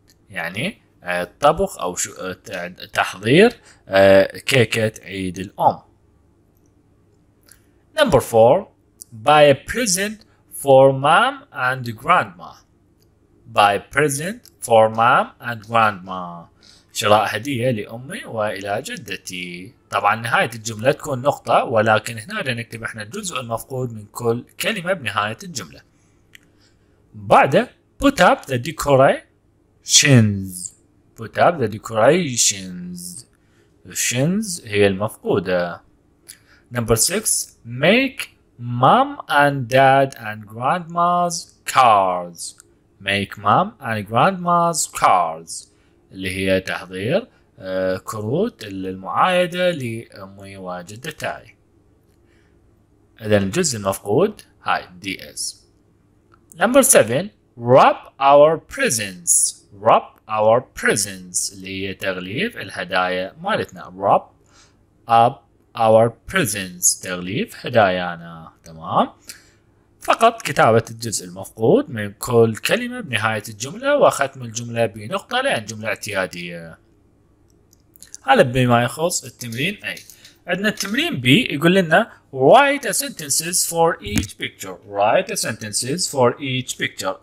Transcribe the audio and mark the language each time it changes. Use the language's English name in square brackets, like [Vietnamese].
[Arabic] يعني طبخ أو تحضير كيكة عيد الأم. [English] Number four. Buy a present for mom and grandma. Buy a present for mom and grandma. [Arabic] شراء هدية لأمي وإلى جدتي. طبعا نهاية الجملة تكون نقطة، ولكن هنا نكتب احنا الجزء المفقود من كل كلمة بنهاية الجملة. بعده [English] put up the decorations. Put up the decorations. [Arabic] Shins هي المفقودة. [English] Number six. Make mom and dad and grandma's cards. Make mom and grandma's cards. [Arabic] اللي هي تحضير كروت المعايدة لأمي وجدتي. إذن الجزء المفقود هاي DS. [English] Number 7. Wrap our presents. Wrap our presents [Arabic] اللي هي تغليف الهدايا مالتنا. [English] Wrap up our presents [Arabic] تغليف هدايانا. تمام، فقط كتابة الجزء المفقود من كل كلمة بنهاية الجملة وختم الجملة بنقطة لأن جملة اعتيادية. هذا بما يخص التمرين A. عندنا التمرين B يقول لنا [English] write a sentences for each picture. Write a sentences for each picture.